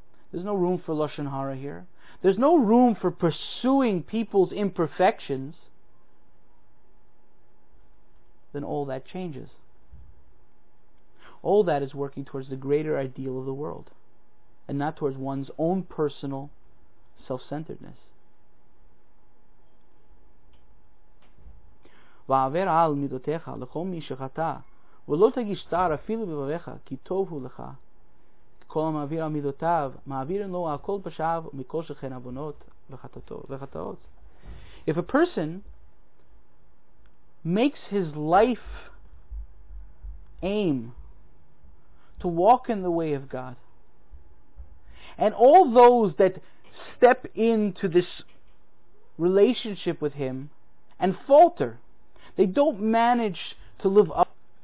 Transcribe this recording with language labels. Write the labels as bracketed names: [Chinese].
[English] There's no room for Lashon Hara here. There's no room for pursuing people's imperfections. Then all that changes. All that is working towards the greater ideal of the world and not towards one's own personal self-centeredness. [Hebrew] ועבר על מידותיך לכל מי שחטא ולא תגיש צער אפילו בבביך כי טוב הוא לך כל המעביר על מידותיו מעביר לו הכל פשעיו מכל שכן עוונות וחטאות. [English] If a person makes his life aim to walk in the way of God, and all those that step into this relationship with him and falter, they don't manage to live up.